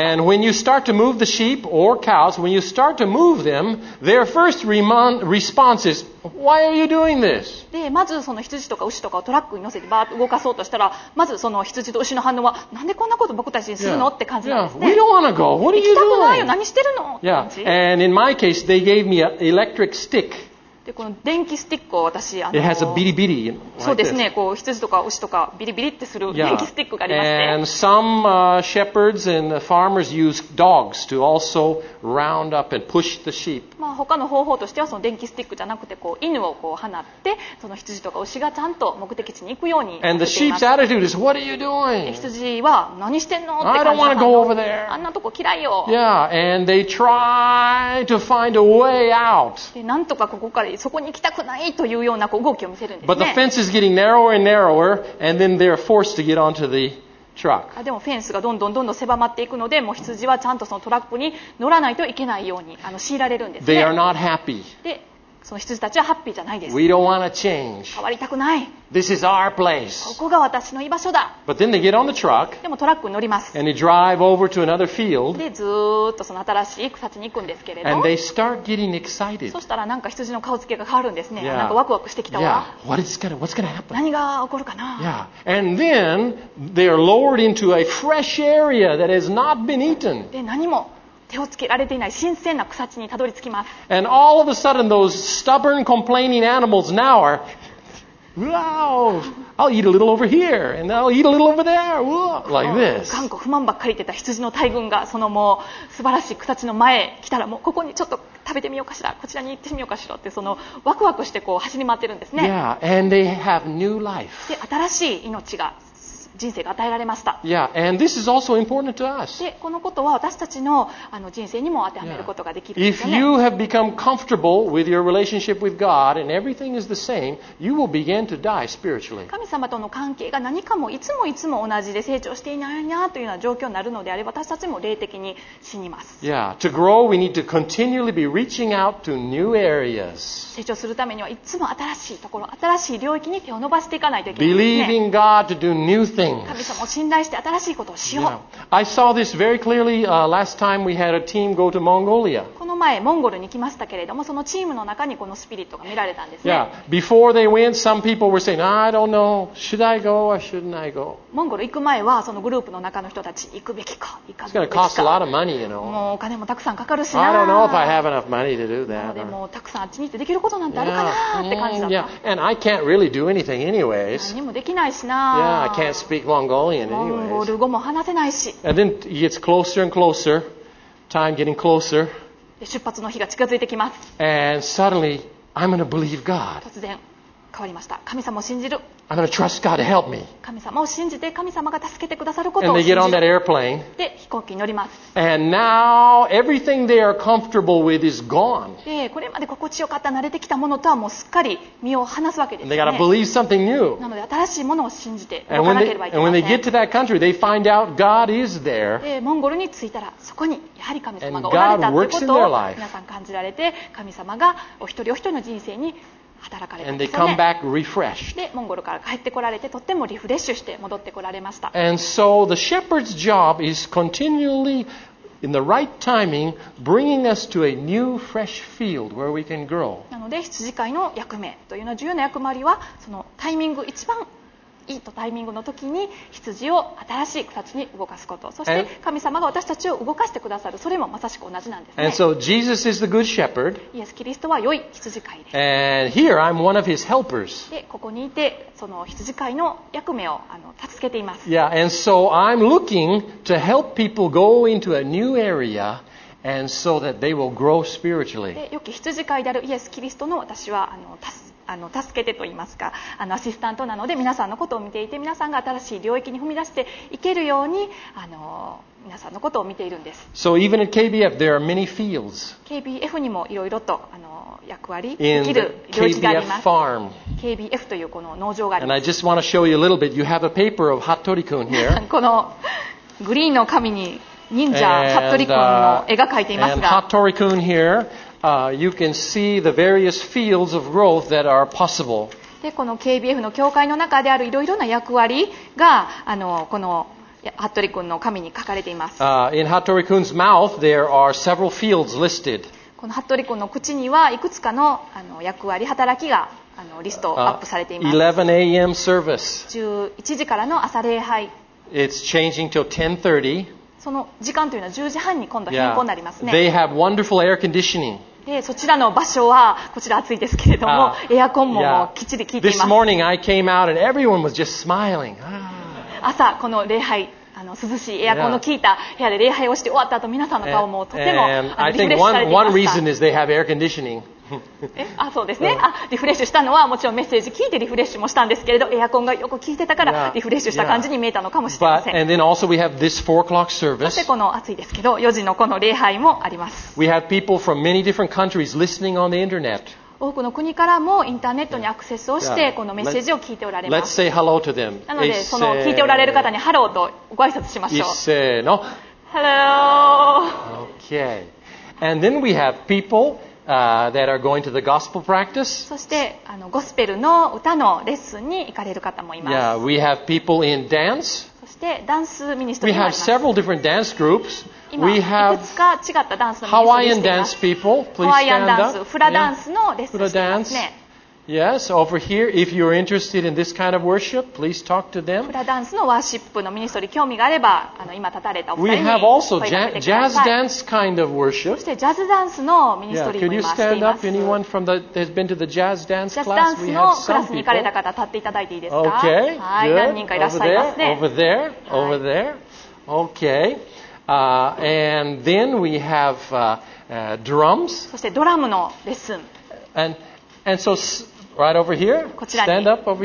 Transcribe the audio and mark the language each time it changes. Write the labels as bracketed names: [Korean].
[English] And when you start to move the sheep or cows, when you start to move them, their first response is, "Why are you doing this?" [Japanese] で、まずその羊とか牛とかをトラックに乗せてバーッと動かそうとしたら、まずその羊と牛の反応は、なんでこんなこと僕たちにするの、yeah. って感じなんですね。 [English] Yeah. We don't wanna go. What are you doing? [Japanese] 行きたくないよ。何してるの？ [English] Yeah. And in my case. They gave me an electric stick. [Japanese] でこの電気スティックを私 [English] It has a bitty bitty, like this. [Japanese] そうですね、こう羊とか牛とかビリビリってする電気スティックがありまして。 [English] Yeah. And some shepherds and farmers use dogs to also round up and push the sheep. [Japanese] まあ他の方法としてはその電気スティックじゃなくてこう犬をこう放ってその羊とか牛がちゃんと目的地に行くように。 [English] And the sheep's attitude is, "What are you doing?" [Japanese] 羊は何してんのって感じ。 [English] I don't want to go over there. [Japanese] あんなとこ嫌いよ。 [English] Yeah, and they try to find a way out. [Japanese] でなんとかここからそこに行きたくないというようなこう動きを見せるんですね。 [English] But the fence is getting narrower and narrower, and then they're forced to get onto the truck. [Japanese] でもフェンスがどんどんどんどん狭まっていくので、もう羊はちゃんとそのトラックに乗らないといけないように強いられるんですね。 [English] They are not happy. [Japanese] で、その羊たちはハッピーじゃないです。 [English] We don't want to change. [Japanese] 変わりたくない。 [English] This is our place. [Japanese] ここが私の居場所だ。 [English] But then they get on the truck. [Japanese] でもトラックに乗ります。 [English] And they drive over to another field. [Japanese] でずっとその新しい草地に行くんですけれど。 [English] And they start getting excited. [Japanese] そしたらなんか羊の顔つけが変わるんですね。Yeah. なんかワクワクしてきたわ。 [English] Yeah. What's gonna happen? [Japanese] 何が起こるかな。 [English] Yeah. And then they are lowered into a fresh area that has not been eaten. [Japanese] で何も手をつけられていない新鮮な草地にたどり着きます。 [English] And all of a sudden, those stubborn, complaining animals now are, wow, I'll eat a little over here, and I'll eat a little over there, like this. [Japanese] 頑固不満ばっかり言ってた羊の大群がそのもう素晴らしい草地の前へ来たら、もうここにちょっと食べてみようかしら、こちらに行ってみようかしらって、そのワクワクしてこう走り回ってるんですね。 [English] Yeah, and they have new life. [Japanese] で、新しい命が。人生が与えられました。 [English] Yeah, and this is also important to us. [Japanese] で、このことは私たち の人生にも当てはめることができるんですよね。 [English] If you have become comfortable with your relationship with God and everything is the same, you will begin to die spiritually. [Japanese] 神様との関係が何かもいつもいつも同じで成長していないなというような状況になるのであれば、私たちも霊的に死にます。 [English] Yeah, to grow, we need to continually be reaching out to new areas. [Japanese] 成長するためにはいつも新しいところ、新しい領域に手を伸ばしていかないといけないですね。 [English] Believing God to do new things. [Japanese] 神様を信頼して新しいことをしよう。 [English] I saw this very clearly, last time we had a team go to Mongolia. [Japanese] この前モンゴルに来ましたけれども、そのチームの中にこのスピリットが見られたんですね。 [English] Yeah. Before they went, some people were saying, I don't know, should I go or shouldn't I go? [Japanese] モンゴル行く前はそのグループの中の人たち行くべきか、 [English] It's going to cost a lot of money, you know. [Japanese] もうお金もたくさんかかるしな。 [English] I don't know if I have enough money to do that. [Japanese] でもたくさんあっちに行ってできることなんてあるかなって感じだった。 [English] Yeah. Yeah. And I can't really do anything anyways. [Japanese] 何もできないしな。 [English] Yeah. I can't speak Mongolian anyways. [Japanese] モンゴル語も話せないし。 [English] And then it gets closer and closer. Time getting closer. [Japanese] 出発の日が近づいてきます。 [English] And suddenly, I'm gonna believe God. [Japanese] 突然変わりました。神様を信じる。 [English] I'm gonna trust God to help me. [Japanese] 神様を信じて神様が助けてくださることを信じる。 [English] And they get on that airplane. [Japanese] で、飛行機に乗ります。 [English] And now, everything they are comfortable with is gone. [Japanese] で、これまで心地よかった慣れてきたものとはもうすっかり身を離すわけですね。 [English] They gotta believe something new. [Japanese] なので新しいものを信じて動かなければいけません。 [English] And when they get to that country, they find out God is there. [Japanese] で、モンゴルに着いたらそこにやはり神様がおられたということを皆さん感じられて、神様がお一人お一人の人生に働かれたんですよね。で、モンゴルから帰ってこられて、とってもリフレッシュして戻ってこられました。 [English] And so the shepherd's job is continually, in the right timing, bringing us to a new, fresh field where we can grow. [Japanese] なので、羊飼いの役目というの重要な役割は、そのタイミング一番いいとタイミングの時に羊を新しい草地に動かすこと、そして神様が私たちを動かしてくださる、それもまさしく同じなんですね。 [English] And so Jesus is the good shepherd. [Japanese] イエス・キリストは良い羊飼いです。 [English] And here I'm one of his helpers. [Japanese] で、ここにいてその羊飼いの役目を助けています。 [English] Yeah, and so I'm looking to help people go into a new area. And so that they will grow spiritually. [Japanese] で、良き羊飼いであるイエス・キリストの私は助けてと言いますか、アシスタントなので、皆さんのことを見ていて、皆さんが新しい領域に踏み出していけるように皆さんのことを見ているんです。 [English] So even at KBF, there are many fields. [Japanese] KBF にもいろいろと役割できる領域があります。 [English] In the KBF farm. [Japanese] KBF というこの農場があります。 [English] And I just want to show you a little bit. You have a paper of Hattori-kun here. [Japanese] このグリーンの紙に忍者ハットリ君の絵が描いていますが、ハットリ君 [English] here, you can see the various fields of growth that are possible. [Japanese] で、この KBF の教会の中であるいろいろな役割がこのハットリ君の紙に書かれています。 [English] In Hattori Kun's mouth, there are several fields listed. [Japanese] このハットリ君の口にはいくつかの役割働きがリストアップされています。 [English] 11 a.m. service. [Japanese] 11時からの朝礼拝。 [English] It's changing till 10:30. [Japanese] その時間というのは10時半に今度変更になりますね。 [English] Yeah. They have wonderful air conditioning. [Japanese] で、そちらの場所はこちら暑いですけれども、エアコン もうきっちり効いています。 [English] This morning I came out and everyone was just smiling. [Japanese] 朝この礼拝涼しいエアコンの効いた部屋で礼拝をして終わった後、皆さんの顔もとてもリフレッシュされていました。 [English] I think one reason is they have air conditioning. [Japanese] そうですね。リフレッシュしたのはもちろんメッセージ聞いてリフレッシュもしたんですけれど、エアコンがよく効いてたからリフレッシュした感じに見えたのかもしれません。 [English] But, and then also we have this 4 o'clock service. [Japanese] そしてこの暑いですけど4時のこの礼拝もあります。 [English] We have people from many different countries listening on the internet. [Japanese] 多くの国からもインターネットにアクセスをしてこのメッセージを聞いておられます。 [English] Let's say hello to them. [Japanese] なのでその聞いておられる方にハローとご挨拶しましょう。せーの、ハロー。 [English] Okay. And then we have peopleThat are going to the gospel practice. [Japanese] そしてゴスペルの歌のレッスンに行かれる方もいます。 [English] Yeah, we have people in dance. [Japanese] そしてダンスミニストリーもあります。 [English] We have several different dance groups. [Japanese] 今いくつか違ったダンスのミニストリーがあります。 [English] Hawaiian dance people, please stand up. [Japanese] フラダンスのレッスンしていますね。 [English] Yes, over here, if you're interested in this kind of worship, please talk to them. [Japanese] フラダンスのワーシップのミニストリー興味があれば、今立たれたお二人に [English] We have also jazz dance kind of worship. [Japanese] そしてジャズダンスのミニストリーも今しています。 [English] Could you stand up, anyone from that has been to the jazz dance class? [Japanese] ジャズダンスのクラスに行かれた方、立っていただいていいですか [English] ？Okay, good. [Japanese] 何人かいらっしゃいますね。 [English] Over there. Okay. And then we have drums. [Japanese] そしてドラムのレッスン。 [English] And so right over here, stand up over here.